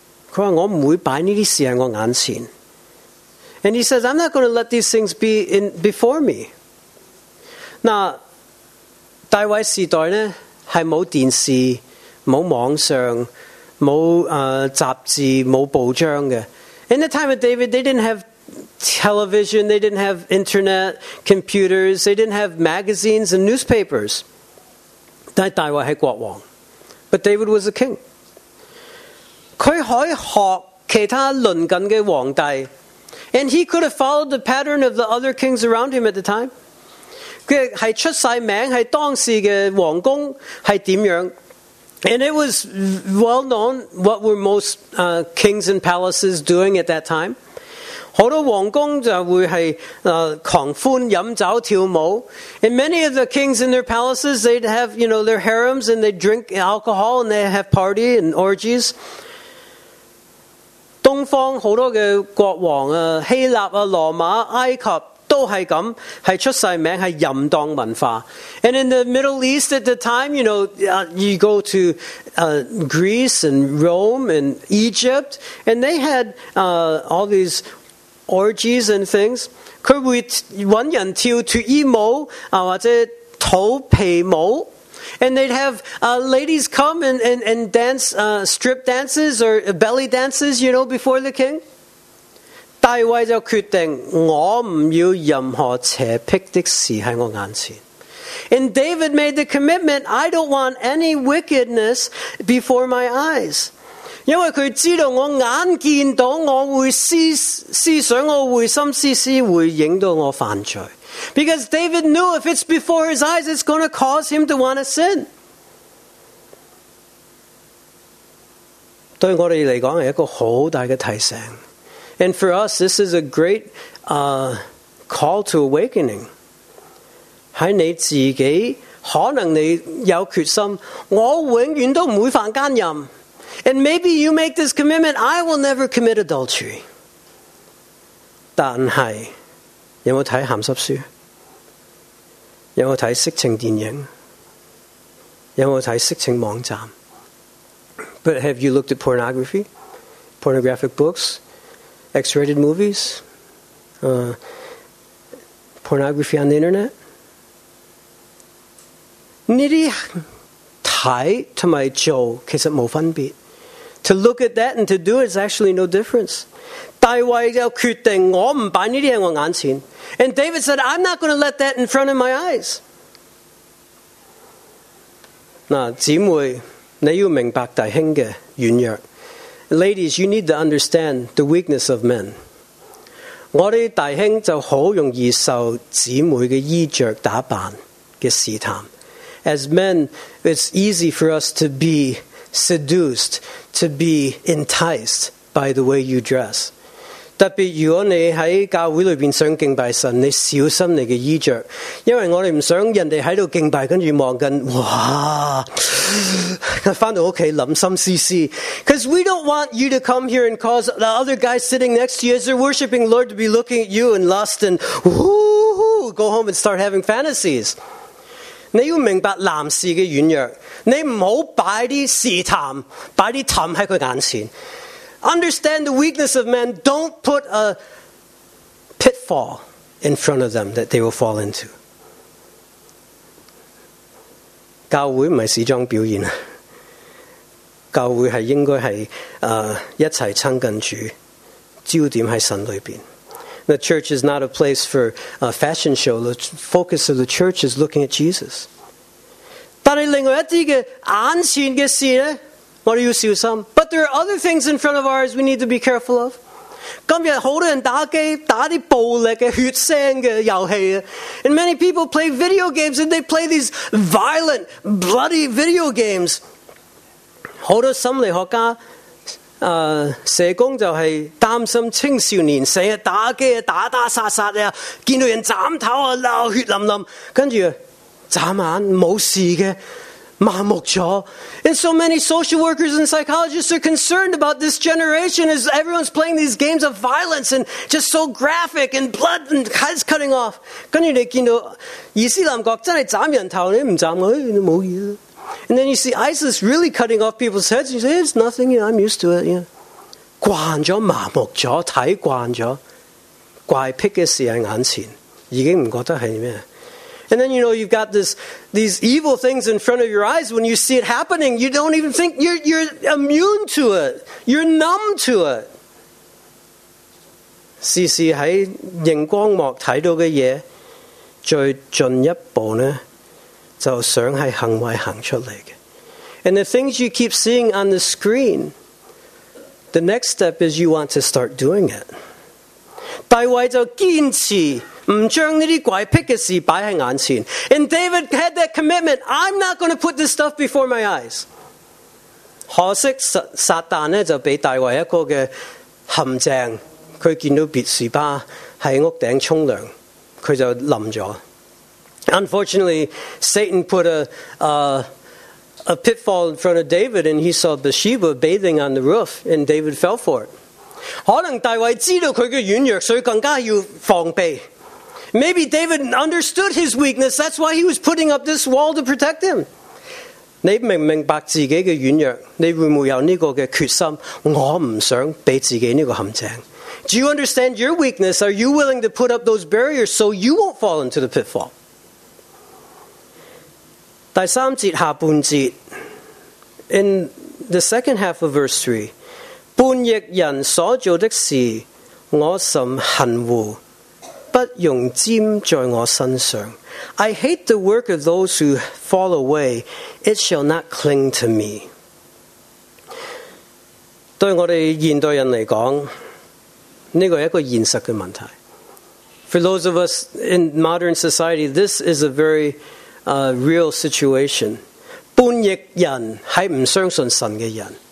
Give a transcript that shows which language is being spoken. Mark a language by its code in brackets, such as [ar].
[zh] 他说我不会摆这些事在我眼前。 [en] And he says, I'm not going to let these things be in before me. [zh] 那大卫时代呢是没有电视、没有网上、没有杂志、没有报章的。 [en] In the time of David, they didn't have television, they didn't have internet, computers, they didn't have magazines and newspapers. [zh] 但大卫是国王。 [en] But David was a king. [zh] 他可以学其他邻近的皇帝 [en] and he could have followed the pattern of the other kings around him at the time. [zh] 他是出了名，是当时的王宫是怎样 [en] and it was well known what were most kings and palaces doing at that time. [zh] 很多王宫就会是狂欢、饮酒、跳舞 [en] and many of the kings in their palaces, they'd have, you know, their harems and they'd drink alcohol and they'd have party and orgies. [zh] 东方很多的国王希腊、罗马、埃及都是这样是出世名是淫荡文化 [en] And in the Middle East at the time you know, you go to Greece and Rome and Egypt and they had all these orgies and things [zh] 他会找人跳脱衣舞或者脱皮舞 [en] And they'd have ladies come and dance strip dances or belly dances, you know, before the king. [zh] 大卫就决定我不要任何邪僻的事在我眼前。 [en] And David made the commitment, I don't want any wickedness before my eyes. [zh] 因为他知道我眼见到我会思想我会心思思会影到我犯罪。 [en] Because David knew if it's before his eyes, it's going to cause him to want to sin. [zh] 对我们来讲是一个很大的提醒。 [en] And for us, this is a great call to awakening. [zh] 在你自己，可能你有决心，我永远都不会犯奸淫。 [en] And maybe you make this commitment, I will never commit adultery. [zh] 但是有没有看咸湿书？有没有看色情电影？有没有看色情网站 [en] ？But have you looked at pornography, pornographic books, X-rated movies, pornography on the internet? [zh] 你的睇同埋做其实冇分别。 [en] To look at that and to do it is actually no difference. [zh] 大卫就决定我不摆这些在我眼前 [en] And David said, I'm not going to let that in front of my eyes. [zh] 那姊妹你要明白弟兄的软弱 [en] Ladies, you need to understand the weakness of men. [zh] 我的弟兄就很容易受姊妹的衣着打扮的试探 [en] As men, it's easy for us to be seduced, to be enticed by the way you dress. [zh] 特别如果你在教会里面想敬拜神，你小心你的衣着，因为我们不想人家在这里敬拜，跟着望着，哇，回到家想心思思。 [en] Because we don't want you to come here and cause the other guys sitting next to you as they're worshiping Lord to be looking at you in lust and go home and start having fantasies. [zh] 你要明白男士的软弱，你不要摆啲试探，摆啲氹在他眼前。 [en] Understand the weakness of men. Don't put a pitfall in front of them that they will fall into. [zh] 教会不是时装表演，教会是应该是一起亲近主，焦点在神里边。 [en] The church is not a place for a fashion show. The focus of the church is looking at Jesus. [zh] 但是另外一啲嘅眼前嘅事咧。 [en] What do you see with some? But there are other things in front of ours we need to be careful of. [zh] 今天很多人打机打啲暴力嘅血腥嘅游戏 [en] And many people play video games and they play these violent, bloody video games. [zh] 很多心理学家社工就是担心青少年成日打机打打杀杀，见到人斩头啊，流血淋淋，跟住眨眼冇事嘅，麻木咗。 [en] And so many social workers and psychologists are concerned about this generation as everyone's playing these games of violence and just so graphic and blood and heads cutting off. [zh] 跟住你见到伊斯兰国真系斩人头，你唔斩，哎，你冇嘢。 [en] And then you see ISIS really cutting off people's heads. You say, it's nothing, you know, I'm used to it. Yeah. [zh] 惯了，麻木了，看惯了，怪癖的事在眼前，已经不觉得是什么。 [en] And then, you know, you've got these evil things in front of your eyes. When you see it happening, you don't even think, you're immune to it. You're numb to it. [zh] 时时在荧光幕看到的东西，再进一步呢，就想是行为行出来的。 [en] And the things you keep seeing on the screen, the next step is you want to start doing it. [zh] 大卫就坚持不将这些怪癖的事摆在眼前。 [en] And David had that commitment, I'm not going to put this stuff before my eyes. [zh] 可惜撒旦呢就给大卫一个陷阱，他见到别士巴在屋顶冲凉，他就冧了。 [en] Unfortunately, Satan put a pitfall in front of David, and he saw Bathsheba bathing on the roof, and David fell for it. [zh] 可能大卫知道他的软弱，所以更加要防备。 [en] Maybe David understood his weakness, that's why he was putting up this wall to protect him. [zh] 你明明白自己的软弱，你会不会有这个决心，我不想被自己这个陷阱。 [en] Do you understand your weakness? Are you willing to put up those barriers so you won't fall into the pitfall? [zh] 第三节下半节 [en] In the second half of verse 3, [zh] 叛逆人所做的事，我甚恨恶，不用沾在我身上。 [en] I hate the work of those who fall away, it shall not cling to me. [zh] 对我们现代人来讲，这个是一个现实的问题。 [en] For those of us in modern society, this is a very real situation. [zh] 叛逆人是不相信神的人。